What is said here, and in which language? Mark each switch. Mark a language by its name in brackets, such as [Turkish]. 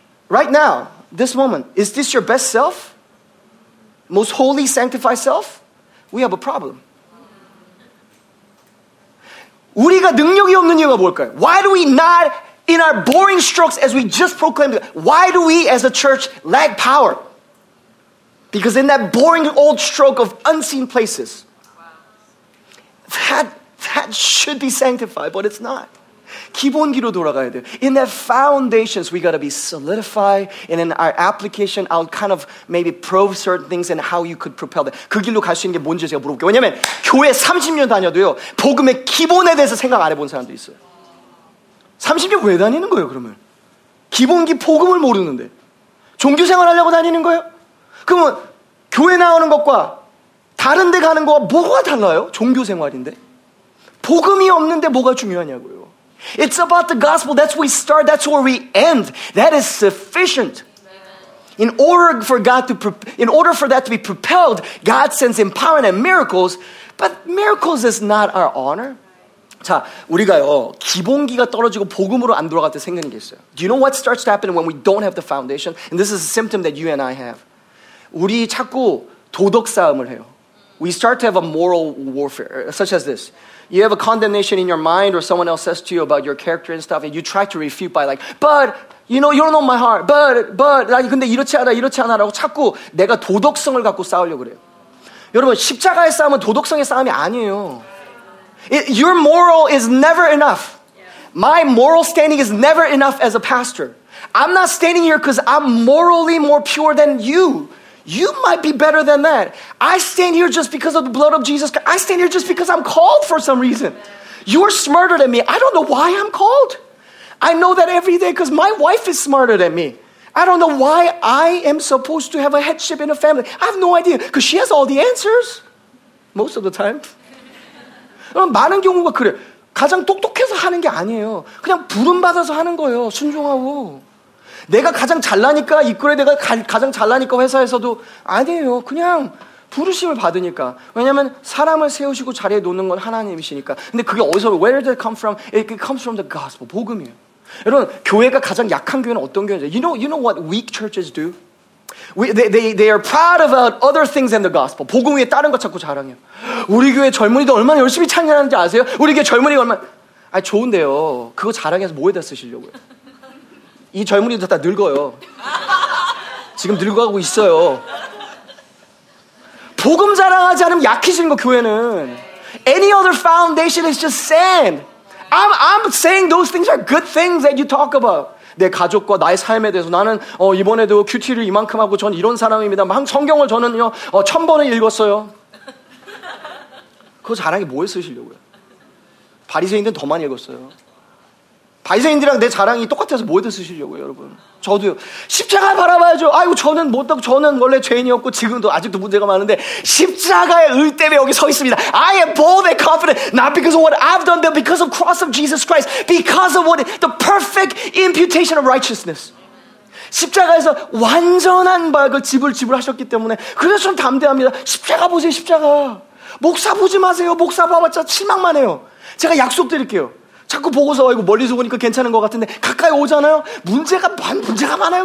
[English] Right now, this moment, is this your best self? Most holy, sanctified self? We have a problem. [Korean] 우리가 능력이 없는 이유가 뭘까요? [English] Why do we not, in our boring strokes as we just proclaimed, why do we as a church lack power? Because in that boring old stroke of unseen places, that should be sanctified, but it's not. [Korean] 기본기로 돌아가야 돼. [English] In that foundations, we got to be solidified, and in our application, I'll kind of maybe probe certain things and how you could propel that. [Korean] 그 길로 갈 수 있는 게 뭔지 제가 물어볼게요. 왜냐면 교회 30년 다녀도요, 복음의 기본에 대해서 생각 안 해본 사람도 있어요. 30년 왜 다니는 거예요, 그러면? 기본기 복음을 모르는데. 종교 생활 하려고 다니는 거예요? 그러면 교회 나오는 것과 다른 데 가는 것과 뭐가 달라요? 종교 생활인데. 복음이 없는데 뭐가 중요하냐고요. [English] It's about the gospel. That's where we start. That's where we end. That is sufficient. In order for God to, in order for that to be propelled, God sends empowerment and miracles. But miracles is not our honor. [Korean] 자, 우리가요, 기본기가 떨어지고 복음으로 안 돌아갈 때 생기는 게 있어요. [English] Do you know what starts to happen when we don't have the foundation? And this is a symptom that you and I have. [Korean] 우리 자꾸 도덕 싸움을 해요. [English] We start to have a moral warfare, such as this. You have a condemnation in your mind, or someone else says to you about your character and stuff, and you try to refute by like, but, you know, you don't know my heart, but, [Korean] 나 근데 이렇지 않아, 이렇지 않아, 라고 자꾸 내가 도덕성을 갖고 싸우려고 그래요. 여러분, 십자가의 싸움은 도덕성의 싸움이 아니에요. [English] Your moral is never enough. My moral standing is never enough as a pastor. I'm not standing here because I'm morally more pure than you. You might be better than that. I stand here just because of the blood of Jesus. I stand here just because I'm called for some reason. You're smarter than me. I don't know why I'm called. I know that every day because my wife is smarter than me. I don't know why I am supposed to have a headship in a family. I have no idea because she has all the answers. Most of the time. [Korean] 많은 경우가 그래. 가장 똑똑해서 하는 게 아니에요. 그냥 부름 받아서 하는 거예요. 순종하고. 내가 가장 잘나니까 이끌어야 내가 가장 잘나니까 회사에서도 아니에요. 그냥 부르심을 받으니까. 왜냐면 사람을 세우시고 자리에 놓는 건 하나님이시니까. 근데 그게 어디서 [English] Where did it come from? It comes from the gospel. [Korean] 복음이에요. 여러분, 교회가 가장 약한 교회는 어떤 교회죠? [English] You know what weak churches do? They are proud about other things than the gospel. [Korean] 복음 위에 다른 거 찾고 자랑해요. 우리 교회 젊은이들 얼마나 열심히 찬양하는지 아세요? 우리 교회 젊은이가 얼마나 아 좋은데요. 그거 자랑해서 뭐에다 쓰시려고요? 이 젊은이들 다 늙어요. 지금 늙어가고 있어요. 복음 자랑하지 않으면 약해지는 거 교회는. [English] Any other foundation is just sand. I'm saying those things are good things that you talk about. [Korean] 내 가족과 나의 삶에 대해서 나는 이번에도 큐티를 이만큼 하고 전 이런 사람입니다. 막 성경을 저는요 천 번을 읽었어요. 그거 자랑이 뭐에 쓰시려고요? 바리새인들은 더 많이 읽었어요. 바리새인들이랑 내 자랑이 똑같아서 뭐에 쓰시려고요, 여러분? 저도요. 십자가 바라봐야죠. 아이고 저는 못하고 저는 원래 죄인이었고 지금도 아직도 문제가 많은데 십자가의 의 때문에 여기 서 있습니다. [English] I am bold and confident not because of what I've done but because of the cross of Jesus Christ because of what the perfect imputation of righteousness. [Korean] 십자가에서 완전한 벽을 지불하셨기 때문에 그래서 저는 담대합니다. 십자가 보세요, 십자가. 목사 보지 마세요. 목사 봐봤자 실망만 해요. 제가 약속 드릴게요. 자꾸 보고서 아이고 멀리서 보니까 괜찮은 것 같은데 가까이 오잖아요. 문제가 많아요.